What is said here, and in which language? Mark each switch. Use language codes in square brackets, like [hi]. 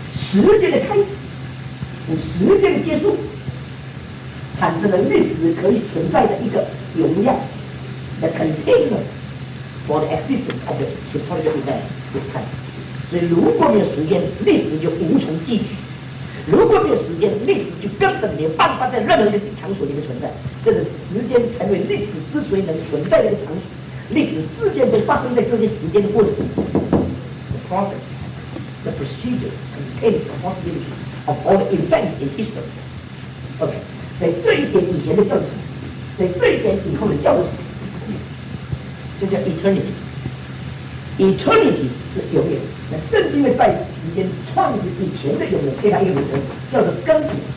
[zh] 时间的开始与时间的结束，产生了历史可以存在的一个容量 ， [en] the container for the existence of the historical event is time。 [zh] 所以如果没有时间，历史就无从继续。如果没有时间，历史就根本没有办法在任何一个场所里面存在。这是时间成为历史之所以能存在的一个场所，历史事件都发生在这些时间的过程。 [en] The process, the procedure contains the possibility of all the events in history. [zh] OK， 所以这一点以前的叫做什么？所以这一点以后的叫做什么？这叫 eternity。Eternity 是永远。那圣经的在时间创始以前的永远，给它一个名称叫做根本。